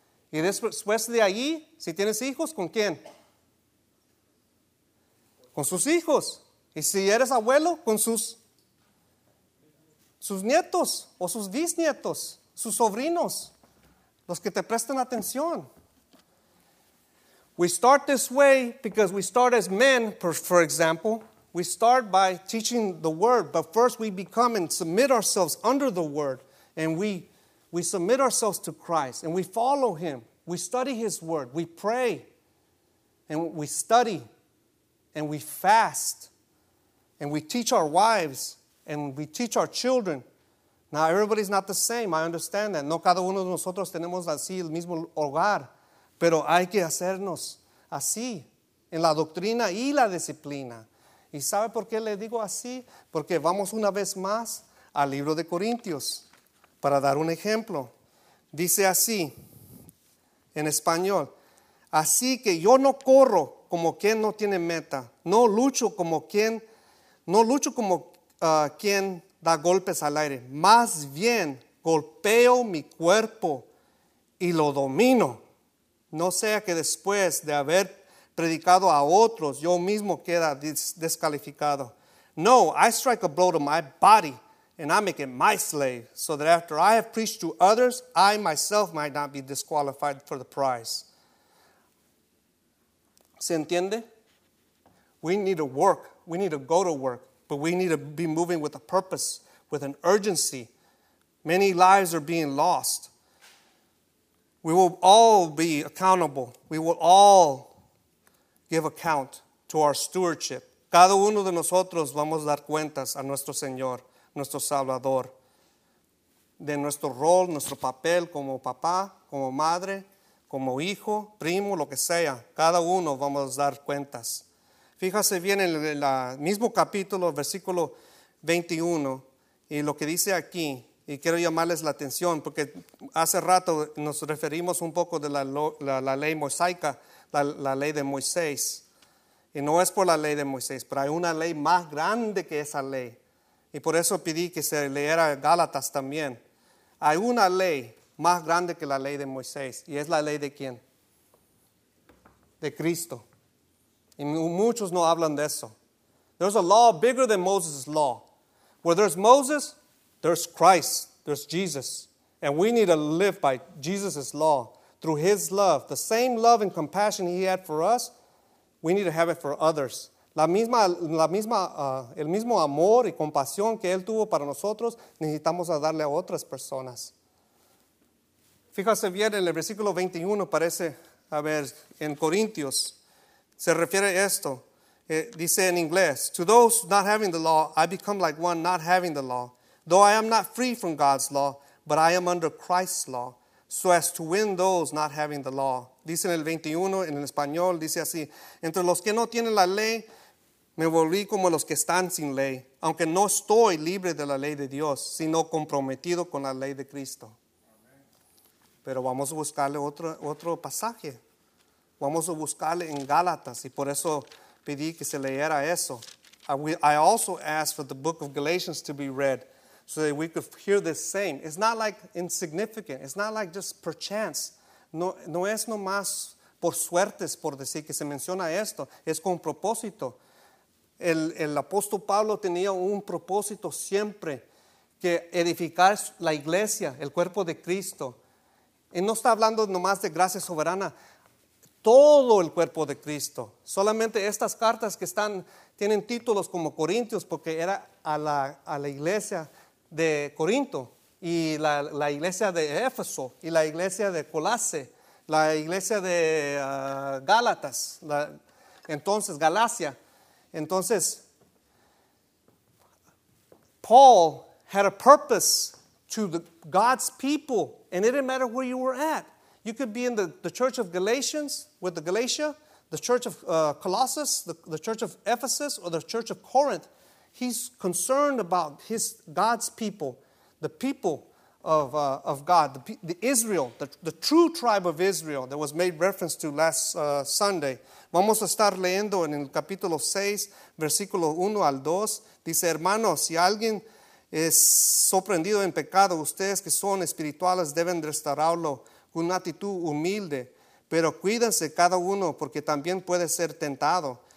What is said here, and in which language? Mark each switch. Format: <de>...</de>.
<es>Y después de allí, si tienes hijos, ¿con quién? Con sus hijos. Y si eres abuelo, con sus nietos o sus bisnietos, sus sobrinos, los que te presten atención.</es> <en>We start this way because we start as men, for example. We start by teaching the word, but first we become and submit ourselves under the word. And we submit ourselves to Christ and we follow him. We study his word. We pray and we study and we fast. And we teach our wives and we teach our children. Now, everybody's not the same. I understand that.</en> <es>No cada uno de nosotros tenemos así el mismo hogar. Pero hay que hacernos así en la doctrina y la disciplina. ¿Y sabe por qué le digo así? Porque vamos una vez más al libro de Corintios para dar un ejemplo. Dice así en español. Así que yo no corro como quien no tiene meta. No lucho como quien da golpes al aire. Más bien golpeo mi cuerpo y lo domino. No sea que después de haber predicado a otros, yo mismo queda descalificado.</es> <en>No, I strike a blow to my body and I make it my slave. So that after I have preached to others, I myself might not be disqualified for the prize.</en> <es>¿Se entiende?</es> <en>We need to work. We need to go to work. But we need to be moving with a purpose, with an urgency. Many lives are being lost. We will all be accountable. We will all give account to our stewardship.</en> <es>Cada uno de nosotros vamos a dar cuentas a nuestro Señor, nuestro Salvador, de nuestro rol, nuestro papel como papá, como madre, como hijo, primo, lo que sea. Cada uno vamos a dar cuentas. Fíjase bien en el mismo capítulo, versículo 21, y lo que dice aquí. Y quiero llamarles la atención porque hace rato nos referimos un poco de la ley mosaica, la ley de Moisés. Y no es por la ley de Moisés, pero hay una ley más grande que esa ley. Y por eso pedí que se leyera Gálatas también. Hay una ley más grande que la ley de Moisés. ¿Y es la ley de quién? De Cristo. Y muchos no hablan de eso.</es> <en>There's a law bigger than Moses' law. Where there's Moses, there's Christ, there's Jesus, and we need to live by Jesus' law through his love. The same love and compassion he had for us, we need to have it for others.</en> <es>El mismo amor y compasión que él tuvo para nosotros, necesitamos a darle a otras personas. Fíjase bien en el versículo 21, parece, a ver, en Corintios, se refiere a esto. Dice en inglés,</es> <en>to those not having the law, I become like one not having the law. Though I am not free from God's law, but I am under Christ's law, so as to win those not having the law.</en> <es>Dice en el 21, en el español, dice así, entre los que no tienen la ley, me volví como los que están sin ley, aunque no estoy libre de la ley de Dios, sino comprometido con la ley de Cristo. Pero vamos a buscarle otro pasaje. Vamos a buscarle en Gálatas, y por eso pedí que se leyera eso.</es> <en>I also asked for the book of Galatians to be read, so that we could hear the same. It's not like insignificant. It's not like just perchance.</en> <es>No es nomás por suertes, por decir que se menciona esto. Es con propósito. El apóstol Pablo tenía un propósito siempre, que edificar la iglesia, el cuerpo de Cristo. Y no está hablando nomás de gracia soberana. Todo el cuerpo de Cristo. Solamente estas cartas que están, tienen títulos como Corintios, porque era a la iglesia de Corinto y la iglesia de Éfeso y la iglesia de Colase, la iglesia de Gálatas, entonces Galacia, Entonces,</es> <en>Paul had a purpose to the God's people, and it didn't matter where you were at. You could be in the church of Galatians with the Galatia, the church of Colossus, the church of Ephesus, or the church of Corinth. He's concerned about his God's people, the people of God, the Israel, the true tribe of Israel that was made reference to last Sunday.</en> <es>Vamos a estar leyendo en el capítulo 6, versículo 1 al 2. Dice, hermanos, si alguien es sorprendido en pecado, ustedes que son espirituales deben restaurarlo con una actitud humilde. Pero cuídense cada uno porque también puede ser tentado.</es>